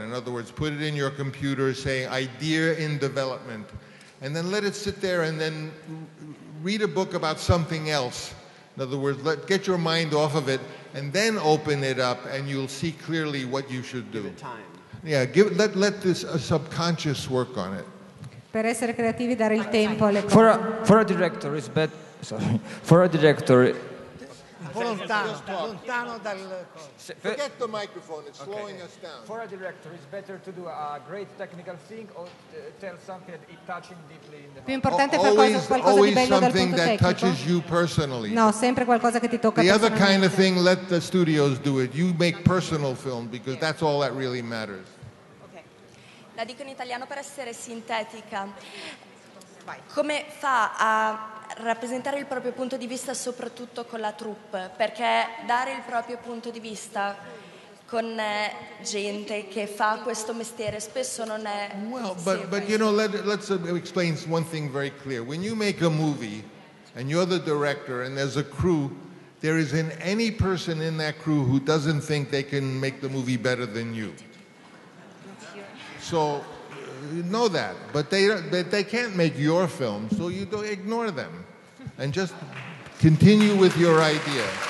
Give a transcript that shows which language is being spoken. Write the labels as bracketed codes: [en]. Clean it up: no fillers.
[en] In other words, put it in your computer, say, idea in development. And then let it sit there and then read a book about something else. In other words, get your mind off of it and then open it up and you'll see clearly what you should do. Give it time. Yeah, let this subconscious work on it. [it] Per essere creativi, dare il tempo alle cose. [en] For a director, it's bad. Sorry, for a director. [it] Lontano dal. [en] Forget the microphone; it's slowing us down. For a director, it's better to do a great technical thing or tell something that is touching deeply. [it] Più importante fare qualcosa di bello dal punto tecnico. [en] That touches you personally. [it] No, sempre qualcosa che ti tocca. [en] The other kind of thing, let the studios do it. You make personal film because that's all that really matters. Okay. [it] La dico in italiano per essere sintetica. Vai. Come fa a rappresentare il proprio punto di vista soprattutto con la troupe, perché dare il proprio punto di vista con gente che fa questo mestiere spesso non è [en] well but you know let's explain one thing very clear. When you make a movie and you're the director and there's a crew, there isn't any person in that crew who doesn't think they can make the movie better than you. So know that, but they can't make your film, so you don't ignore them, and just continue with your idea.